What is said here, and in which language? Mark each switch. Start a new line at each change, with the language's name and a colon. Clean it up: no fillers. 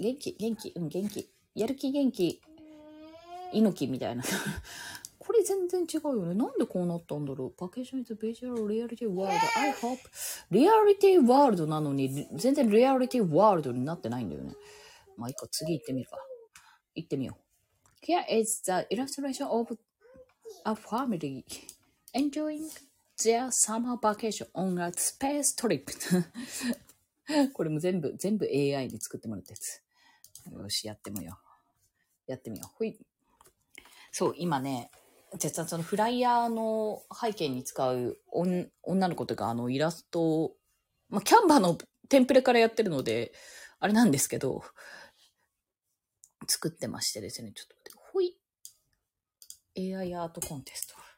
Japanese: 元気、元気、うん、元気。やる気、元気。猪木みたいな。これ全然違うよね。なんでこうなったんだろう。
English: バケーションイズビジュアルリアリティワールド。 I hope。
Japanese: リアリティワールドなのに、全然リアリティワールドになってないんだよね。まあ、一個次行ってみるか。行ってみよう。
English: Here is the illustration of a family enjoying their summer vacation on a space trip.
Japanese: これも全部 AI に作ってもらったやつ。よし、やってみよう。ほい。そう、今ね、実はそのフライヤーの背景に使う女の子というか、あのイラストを、まあ、キャンバーのテンプレからやってるので、あれなんですけど、作ってましてですね、ちょっと待って、ほい。AI アートコンテスト。